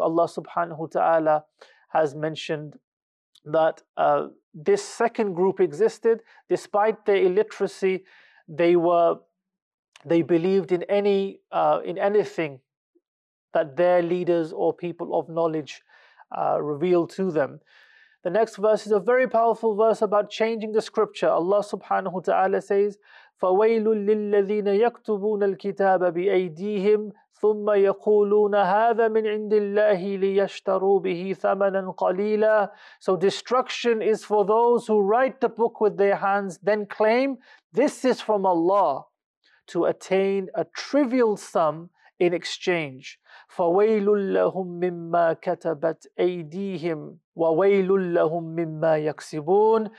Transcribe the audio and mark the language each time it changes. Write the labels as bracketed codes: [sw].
[en] Allah subhanahu wa ta'ala has mentioned that this second group existed. Despite their illiteracy, they believed in anything that their leaders or people of knowledge revealed to them. The next verse is a very powerful verse about changing the scripture. Allah subhanahu wa ta'ala says, [ar] فَوَيْلٌ لِلَّذِينَ يَكْتُبُونَ الْكِتَابَ بِأَيْدِيهِمْ ثُمَّ يَقُولُونَ هَذَا مِنْ عِنْدِ اللَّهِ لِيَشْتَرُوا بِهِ ثَمَنًا قَلِيلًا. [en] So destruction is for those who write the book with their hands, then claim, this is from Allah, to attain a trivial sum in exchange. [ar] فَوَيْلٌ لَهُمْ مِمَّا كَتَبَتْ أَيْدِيهِمْ وَوَيْلٌ لَهُمْ مِمَّا يَكْسِبُونَ.